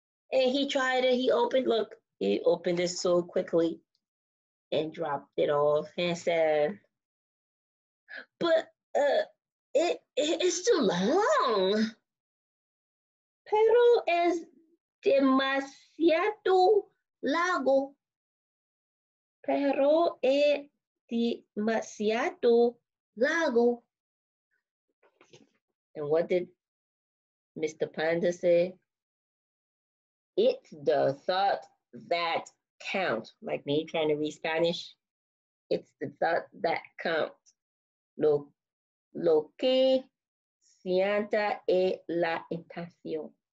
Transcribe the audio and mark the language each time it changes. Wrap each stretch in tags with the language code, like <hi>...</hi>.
<en>What? And he tried it. He opened it so quickly and dropped it off and said, but it's too long.</en> <es>Pero es demasiado largo. Pero es demasiado largo.</es> <en>And what did Mr. Panda say? It's the thought that counts. Like me trying to read Spanish. It's the thought that counts.</en> <es>Lo que sienta es la intención.</es>